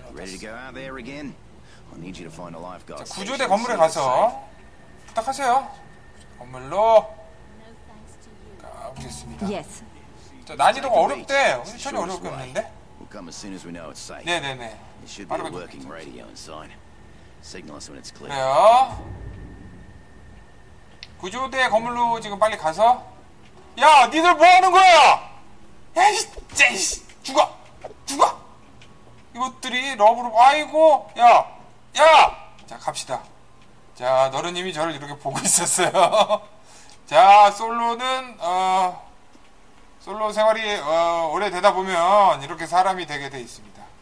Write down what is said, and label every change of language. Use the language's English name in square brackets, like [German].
[English] Ready to go out there again? I need you to find a lifeguard. [Korean] 구조대 건물에 가서 부탁하세요. 건물로 가보겠습니다. [English] Yes. [Korean] 자 난이도가 어렵대. 미션이 어렵겠는데? [English] We'll come as soon as we know it's safe. [Korean] 네네네. [English] It should be a working radio inside. Signal us when it's clear. [Korean] 그래요. 구조대 건물로 지금 빨리 가서. 야, 니들 뭐 하는 거야? 야이씨, 쟤이씨, 죽어, 죽어. 이것들이 러브로, 아이고, 야, 야. 자, 갑시다. 자, 너르님이 저를 이렇게 보고 있었어요. 자, 솔로는 솔로 생활이 오래 되다 보면 이렇게 사람이 되게 돼 있습니다.